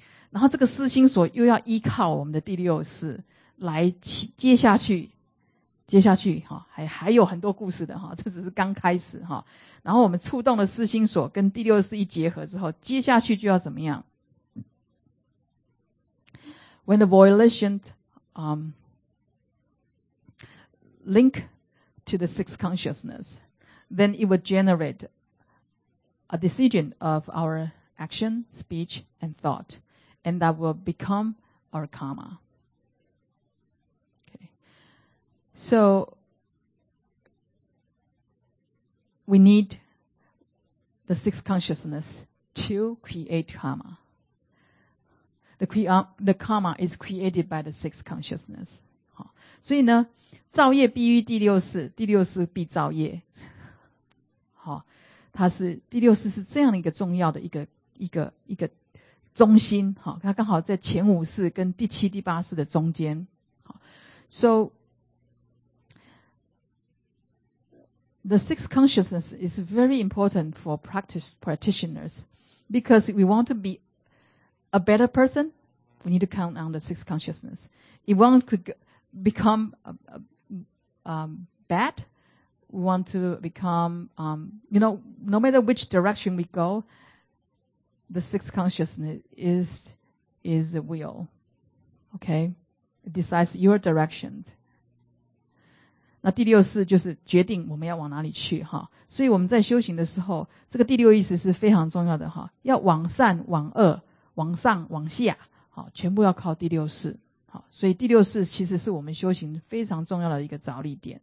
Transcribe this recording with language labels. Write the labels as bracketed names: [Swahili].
[Chinese] 然后这个思心所又要依靠我们的第六识来接下去哈、哦，还有很多故事的哈、哦，这只是刚开始哈、哦。然后我们触动了思心所跟第六识一结合之后，接下去就要怎么样？ [English] When the volition link to the sixth consciousness, then it will generate a decision of our action, speech, and thought, and that will become our karma. Okay. So we need the sixth consciousness to create karma. The karma is created by the sixth consciousness. [Chinese] 好，所以呢，造业必于第六识，第六识必造业。好，它是第六识是这样的一个重要的一个中心。好，它刚好在前五识跟第七、第八识的中间。 [English] 好 ，So the sixth consciousness is very important for practitioners because we want to be a better person. We need to count on the sixth consciousness. If one could become bad, we want to become, no matter which direction we go, the sixth consciousness is the will. Okay? It decides your direction. [Chinese] 那第六识就是决定我们要往哪里去哈。所以我们在修行的时候，这个第六意识是非常重要的哈。要往善、往恶、往上、往下。全部要靠第六识，好，所以第六识其实是我们修行非常重要的一个着力点。